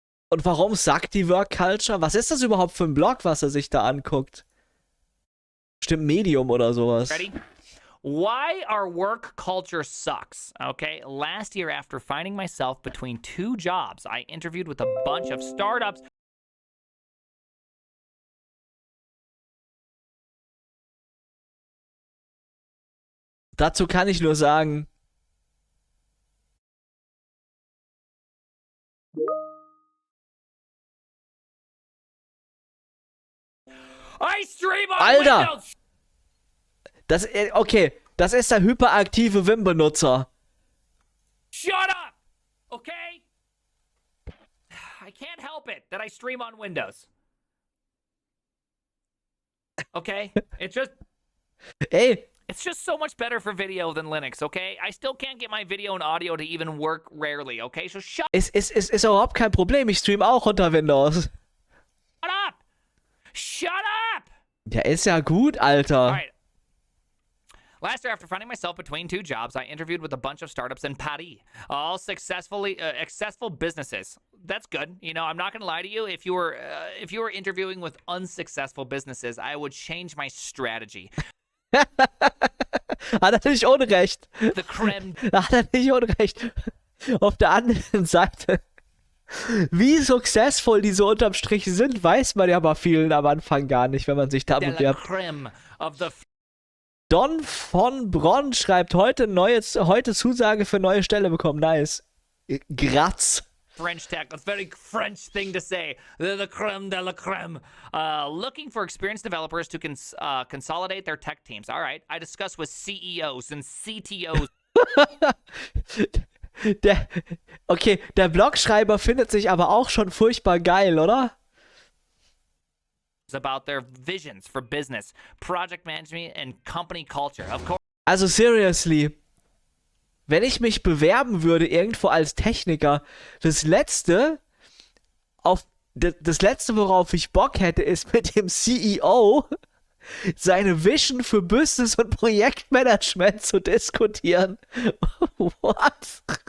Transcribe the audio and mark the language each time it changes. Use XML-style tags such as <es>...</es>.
<de>Und warum sagt die Work Culture? Was ist das überhaupt für ein Blog, was er sich da anguckt? Stimmt, Medium oder sowas.</de> <en>Ready? Why our work culture sucks. Okay, last year after finding myself between two jobs, I interviewed with a bunch of startups.</en> <de>Dazu kann ich nur sagen...</de> <en>I stream on</en> <de>Alter.</de> <en>Windows.</en> <de>Alter. Okay, das ist der hyperaktive Wim-Benutzer.</de> <en>Shut up, okay? I can't help it that I stream on Windows. Okay, it's just... Hey. It's just so much better for video than Linux, okay? I still can't get my video and audio to even work rarely, okay? So shut up.</en> <de>Ist überhaupt kein Problem. Ich stream auch unter Windows.</de> <en>Shut up! Shut up!</en> <de>Ja, ist ja gut, Alter.</de> <en>All right. Last year, after finding myself between two jobs, I interviewed with a bunch of startups in Paris. All successful businesses. That's good. You know, I'm not going to lie to you. If you were interviewing with unsuccessful businesses, I would change my strategy.</en> <de>Hat er nicht Unrecht.</de> <en>The creme.</en> <de>Hat er nicht Unrecht. Auf der anderen Seite. Wie successful die so unterm Strich sind, weiß man ja bei vielen am Anfang gar nicht, wenn man sich da bewirbt.</de> <en>The creme of the...</en> <de>Don von Bronn schreibt, heute Zusage für neue Stelle bekommen. Nice. Graz.</de> <en>French tech. A very French thing to say. The creme de la creme. Looking for experienced developers to consolidate their tech teams. All right. I discuss with CEOs and CTOs.</en> <de>Der Blogschreiber findet sich aber auch schon furchtbar geil, oder?</de> <en>About their visions for business, project management and company culture. Of course.</en> <de>Also</de> <en>seriously,</en> <de>wenn ich mich bewerben würde irgendwo als Techniker, das letzte, worauf ich Bock hätte, ist mit dem CEO seine Vision für Business und Projektmanagement zu diskutieren.</de> <en>What?</en>